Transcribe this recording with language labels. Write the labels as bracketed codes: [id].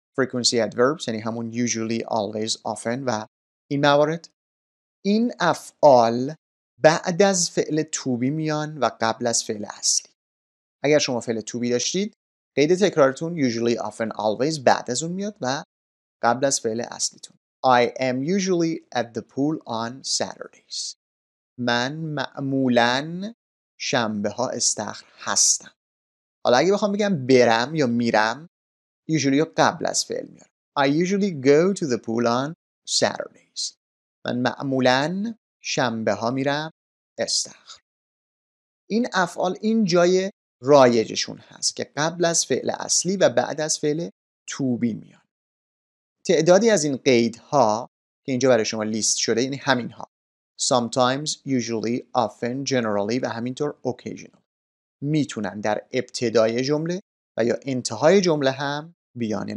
[fa] Frequency adverbs یعنی همون usually, always, often و این موارد. این افعال بعد از فعل to be میان و قبل از فعل اصلی. اگر شما فعل to be داشتید، قید تکرارتون usually, often, always بعد از اون میاد و قبل از فعل اصلیتون. [en] I am usually at the pool on Saturdays. [fa] من معمولاً شنبه ها استخر هستم. حالا اگه بخوام بگم برم یا میرم، usually رو قبل از فعل میارم. [en] I usually go to the pool on Saturdays. [fa] من معمولاً شنبه ها میرم استخر. این افعال این جای رایجشون هست که قبل از فعل اصلی و بعد از فعل to be میان. تعدادی از این قیدها که اینجا برای شما لیست شده، یعنی همین ها، sometimes, usually, often, generally و همینطور occasional، میتونن در ابتدای جمله و یا انتهای جمله هم بیان.